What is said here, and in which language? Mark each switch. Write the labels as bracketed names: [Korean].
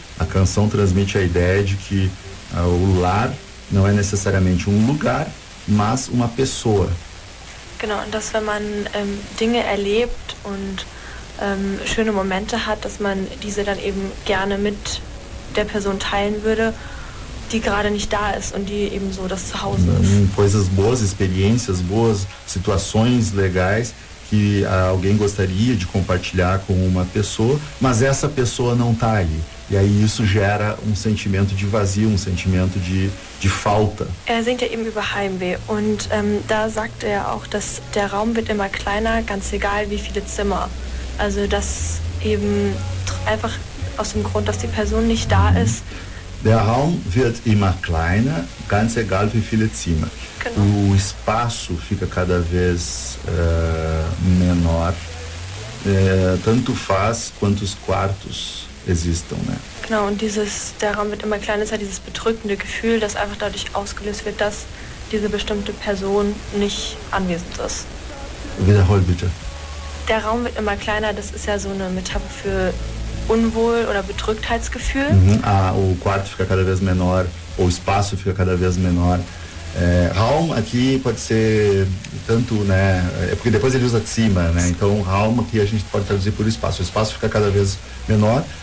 [Portuguese] A canção transmite a ideia de que o lar não é necessariamente um lugar, mas uma pessoa. [German] Genau, und dass wenn man Dinge erlebt und schöne Momente hat, dass man diese dann eben gerne mit der Person teilen würde, die gerade nicht da ist und die eben so das Zuhause ist. [Portuguese] Coisas boas, experiências boas, situações legais que alguém gostaria de compartilhar com uma pessoa, mas essa pessoa não está aí. E aí isso gera um sentimento de vazio, um sentimento de falta. [German] Er singt ja eben über Heimweh und da sagt er auch, dass der Raum wird immer kleiner, ganz egal wie viele Zimmer. Also das eben einfach aus dem Grund, dass die Person nicht da ist. Der Raum wird immer kleiner, ganz egal wie viele Zimmer. Genau. [Portuguese] O espaço fica cada vez menor, tanto faz quantos quartos existam, né? [German] Genau, und dieses, der Raum wird immer kleiner, ist halt dieses bedrückende Gefühl, das einfach dadurch ausgelöst wird, dass diese bestimmte Person nicht anwesend ist. Wiederhol bitte. Der Raum wird immer kleiner, das ist ja so eine Metapher für Unwohl oder Bedrücktheitsgefühl. Mhm. [Portuguese] Ah, o quarto fica cada vez menor, o espaço fica cada vez menor. Raum aqui pode ser tanto, né? É porque depois ele usa cima, né? Então, Raum aqui a gente pode traduzir por espaço. O espaço fica cada vez menor.